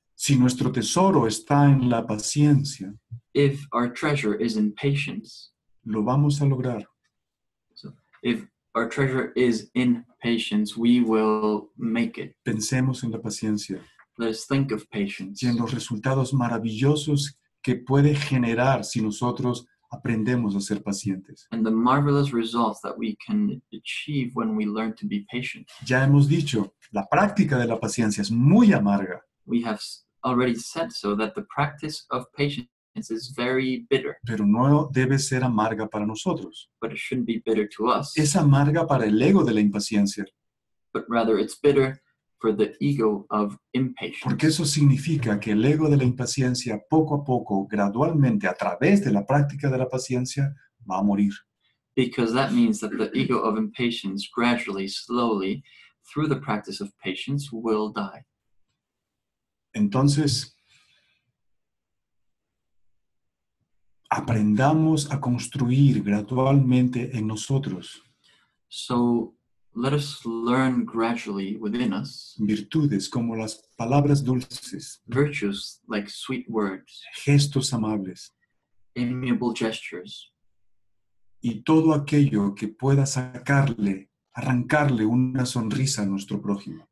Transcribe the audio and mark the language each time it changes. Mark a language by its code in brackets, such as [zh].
[es] Si nuestro tesoro está en la paciencia, [en] if our treasure is in patience, [es] lo vamos a lograr. [en] So if our treasure is in patience, we will make it. [es] Pensemos en la paciencia. [en] Let us think of patience. [es] Y en los resultados maravillosos que puede generar si nosotros aprendemos a ser pacientes. [en] And the marvelous results that we can achieve when we learn to be patient. [es] Ya hemos dicho, la práctica de la paciencia es muy amarga. [en] We have already said so, that the practice of patience is very bitter. [es] Pero no debe ser amarga para nosotros. [en] But it shouldn't be bitter to us. [es] Es amarga para el ego de la impaciencia. [en] But rather it's bitter for the ego of impatience. [es] Porque eso significa que el ego de la impaciencia, poco a poco, gradualmente, a través de la práctica de la paciencia, va a morir. [en] Because that means that the ego of impatience, gradually, slowly, through the practice of patience, will die. [es] Entonces, aprendamos a construir gradualmente en nosotros. [en] So, let us learn gradually within us. [es] Virtudes como las palabras dulces. [en] Virtues like sweet words. [es] Gestos amables. [en] Amiable gestures. [es] Y todo aquello que pueda sacarle, arrancarle una sonrisa a nuestro prójimo.